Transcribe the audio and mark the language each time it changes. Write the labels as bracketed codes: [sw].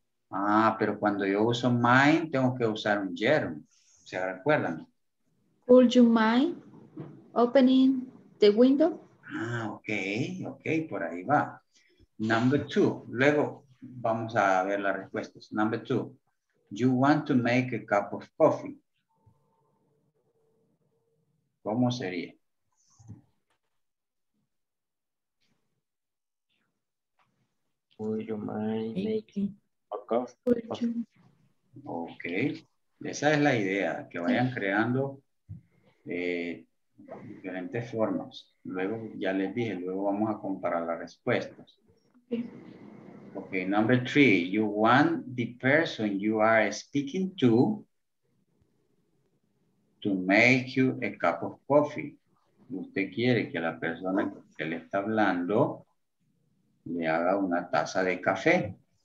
[es] Ah, pero cuando yo uso mind, tengo que usar un gerund. ¿Se recuerdan? [en] Would you mind opening the window? [es] Ah, okay, okay, por ahí va. [en] Number two, [es] luego vamos a ver las respuestas. [en] Number two, you want to make a cup of coffee. [es] ¿Cómo sería? [en] Would you mind making a cup of coffee? [es] Okay, esa es la idea, que vayan creando... diferentes formas. Luego ya les dije, luego vamos a comparar las respuestas. [en] Okay, number three, you want the person you are speaking to make you a cup of coffee. [es] Usted quiere que la persona que usted le está hablando le haga una taza de café.